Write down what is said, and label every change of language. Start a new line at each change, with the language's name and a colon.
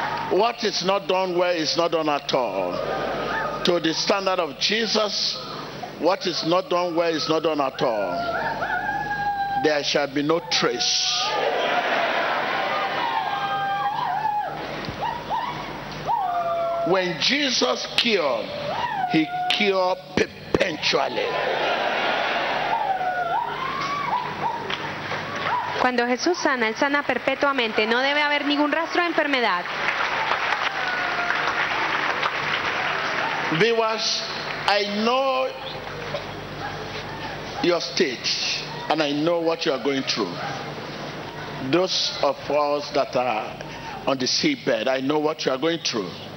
English: What is not done well is not done at all. To the standard of Jesus, what is not done well is not done at all. There shall be no trace. When Jesus cured, he cured perpetually.
Spanish: Cuando Jesús sana, él sana perpetuamente. No debe haber ningún rastro de enfermedad.
English: Viewers, I know your state, and I know what you are going through. Those of us that are on the seabed, I know what you are going through.